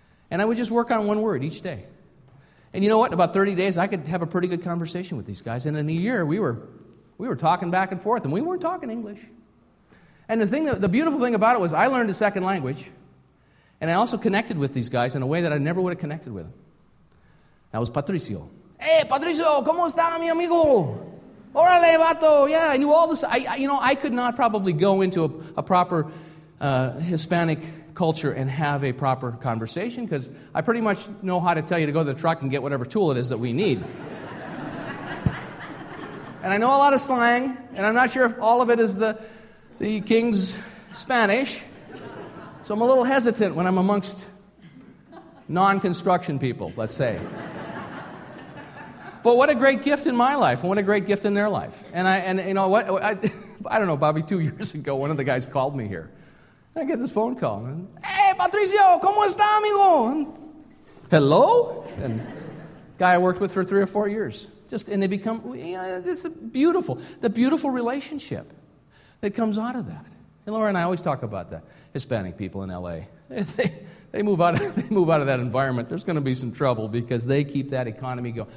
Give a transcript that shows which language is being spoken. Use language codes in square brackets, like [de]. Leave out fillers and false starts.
[en] And I would just work on one word each day. And you know what? In about 30 days, I could have a pretty good conversation with these guys. And in a year, we were talking back and forth, and we weren't talking English. And the beautiful thing about it was I learned a second language, and I also connected with these guys in a way that I never would have connected with them. That was Patricio. [es] Hey, Patricio, ¿cómo está, mi amigo? Órale, vato. [en] Yeah, I knew all this. I could not probably go into a proper Hispanic culture and have a proper conversation because I pretty much know how to tell you to go to the truck and get whatever tool it is that we need. And I know a lot of slang, and I'm not sure if all of it is the the king's Spanish. So I'm a little hesitant when I'm amongst non-construction people, let's say. But what a great gift in my life, and what a great gift in their life. And you know what? I don't know, Bobby, 2 years ago, one of the guys called me here. I get this phone call. [es] And, hey, Patricio, ¿cómo está, amigo? [en] And, hello? And guy I worked with for 3 or 4 years. Just, and they become, just beautiful. The beautiful relationship that comes out of that. And Laura and I always talk about the Hispanic people in L.A. They move out of that environment. There's going to be some trouble because they keep that economy going.